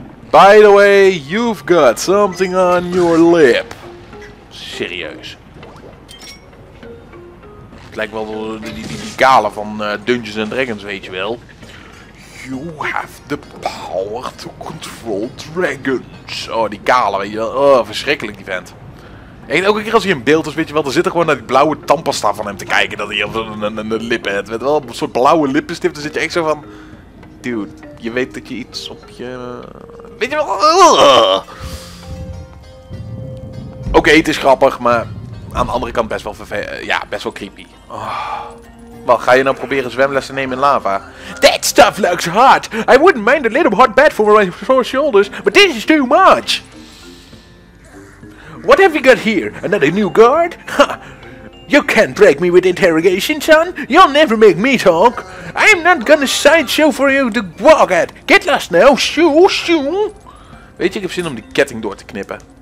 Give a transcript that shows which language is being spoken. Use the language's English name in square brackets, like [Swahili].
[English] By the way, you've got something on your lip. [Dutch] Serieus. Het lijkt wel die kale van Dungeons and Dragons, weet je wel. [English] You have the power to control dragons. [Dutch] Oh, die kale, weet je wel. Oh, verschrikkelijk, die vent. Echt, elke keer als hij in beeld is, weet je wel, dan zit er gewoon naar die blauwe tandpasta van hem te kijken. Dat hij een lippen heeft. Met wel een soort blauwe lippenstift, dan zit je echt zo van... dude, je weet dat je iets op je... weet je wel... Oké, het is grappig, maar aan de andere kant best wel best wel creepy. Wel, ga je nou proberen zwemles te nemen in lava? [English] That stuff looks hot! I wouldn't mind a little hot bed for my shoulders, but this is too much! What have you got here? Another new guard? You can't break me with interrogation, son. You'll never make me talk. I'm not gonna sideshow for you to walk at. Get lost now. Shoo, shoo. [Dutch] Weet je, ik heb zin om die ketting door te knippen.